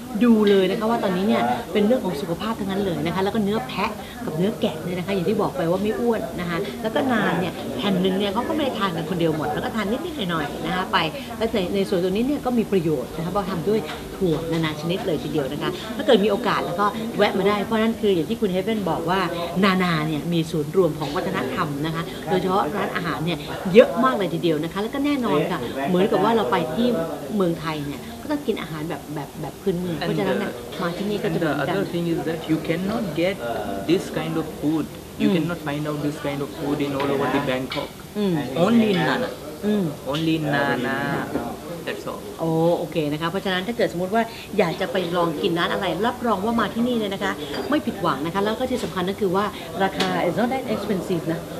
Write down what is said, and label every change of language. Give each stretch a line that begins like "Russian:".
Thai: ดูเลยนะคะว่าตอนนี้เนี่ยเป็นเรื่องของสุขภาพทั้งนั้นเลยนะคะแล้วก็เนื้อแพะกับเนื้อแกะเนี่ยนะคะอย่างที่บอกไปว่าไม่อ้วนนะคะแล้วก็นานเนี่ยแผ่นนึงเนี่ยเขาก็ไม่ได้ทานกันคนเดียวหมดแล้วก็ทานนิดๆหน่อยๆนะคะไปแล้วในส่วนตัวนี้เนี่ยก็มีประโยชน์นะคะเพราะทำด้วยถั่วนานาชนิดเลยทีเดียวนะคะถ้าเกิดมีโอกาสแล้วก็แวะมาได้เพราะนั่นคืออย่างที่คุณเฮเวนบอกว่า นานาเนี่ยมีศูนย์รวมของวัฒนธรรมนะคะโดยเฉพาะร้านอาหารเนี่ยเยอะมากเลยทีเดียวนะคะแล้วก็แน่นอนค่ะเหมือนกับว่าเราไปที่เมืองไทยเนี่ยก็กินอาหารแบบพื้นเมืองเพราะฉะนั้นมาที่นี่ก็จะ
English: ได้ The other thing is that you cannot get this kind of food you cannot find out this kind of food in all over the Bangkok only in Nana only in Nana that's all
Thai: โอเคนะคะเพราะฉะนั้นถ้าเกิดสมมติว่าอยากจะไปลองกินร้านอะไรรับรองว่ามาที่นี่เลยนะคะไม่ผิดหวังนะคะแล้วก็ที่สำคัญก็คือว่าราคา
English: is not that expensive
Thai: นะ